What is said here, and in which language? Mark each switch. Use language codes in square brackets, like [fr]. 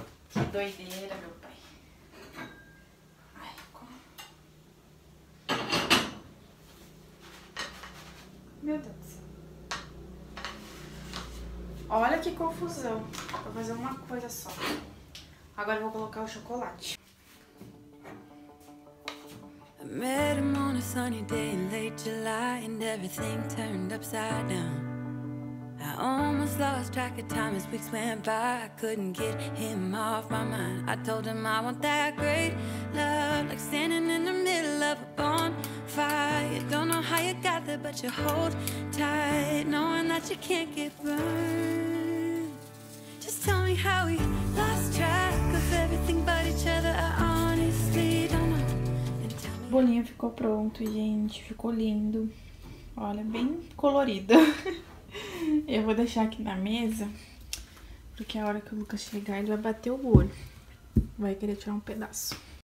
[pt] Que doideira, meu pai. Ai, meu Deus. Olha que confusão. Vou fazer uma coisa só. Agora vou colocar o chocolate. [en] I met him on a sunny day in late July and everything turned upside down. I almost lost track of time as weeks went by. I couldn't get him off my mind. I told him I want that great love, like standing in the middle of a bonfire. Don't know how you got there, but you hold tight, knowing that you can't get burned. Just tell me how we lost track of everything but each other. I honestly don't know. [pt] O bolinho ficou pronto, gente. Ficou lindo. Olha, bem colorido. Eu vou deixar aqui na mesa, porque a hora que o Lucas chegar, ele vai bater o olho. Vai querer tirar um pedaço.